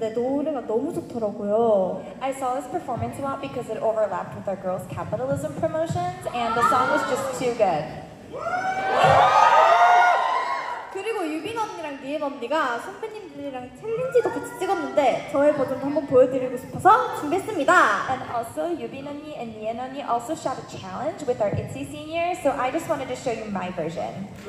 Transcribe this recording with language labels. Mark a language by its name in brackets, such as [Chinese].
[English] I saw this performance a lot because it overlapped with our girls' capitalism promotions and the song was just too good. [Korean] 그리고 유빈 언니랑 니엠 언니가 선배님들이랑 챌린지도 같이 찍었는데 저의 버전도 한번 보여드리고 싶어서 준비했습니다. [English] And also, Yubin 언니 and Nien 언니 also shot a challenge with our ITZY seniors, so I just wanted to show you my version.